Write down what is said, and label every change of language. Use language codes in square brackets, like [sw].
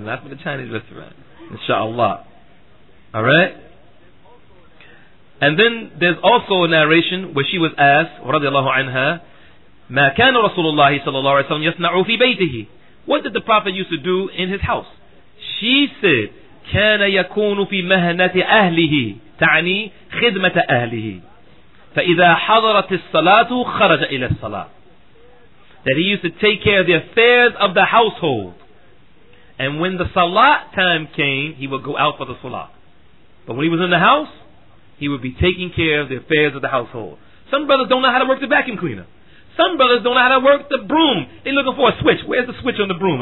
[en] Not from the Chinese restaurant. Inshallah. All right? And then there's also a narration where she was asked, radiallahu anha, [ar] ما كان رسول الله صلى الله عليه وسلم يصنع في بيته. [en] What did the Prophet used to do in his house? She said, [ar] كان يكون في مهنة أهله. تعني خدمة أهله. فإذا حضرت الصلاة خرج إلى الصلاة. [en] That he used to take care of the affairs of the household. And when the salat time came, he would go out for the salat. But when he was in the house, He would be taking care of the affairs of the household. Some brothers don't know how to work the vacuum cleaner. Some brothers don't know how to work the broom. They're looking for a switch. Where's the switch on the broom?